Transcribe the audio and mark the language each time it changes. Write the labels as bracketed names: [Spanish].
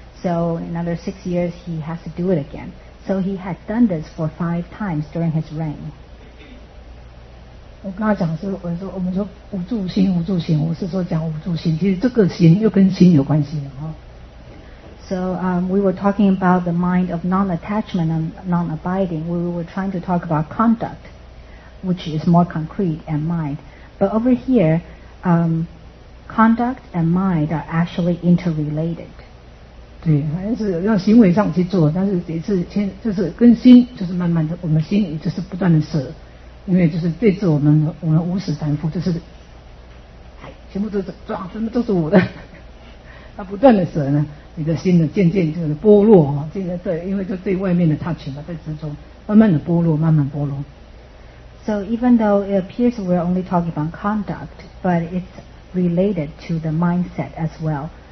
[English] So in another 6 years, he has to do it again. So he had done this for 5 times during his reign. [Chinese] 我跟他讲是，我们说无住心，无住心，我是说讲无住心。其实这个心又跟心有关系的哈。 [English] So we were talking about the mind of non-attachment and non-abiding. We were trying to talk about conduct, which is more concrete, and mind. But over here, conduct and mind are actually interrelated. [Chinese] 对，反正是用行为上去做，但是也是先就是跟心，就是慢慢的，我们心也就是不断的舍，因为就是对着我们无始凡夫，就是，哎，全部都是抓，什么都是我的，他不断的舍呢，你的心呢渐渐就是剥落啊，渐渐对，因为就对外面的他取嘛，在执着，慢慢的剥落，慢慢剥落。 [English] So even though it appears we're only talking about conduct, but it's related to the mindset as well.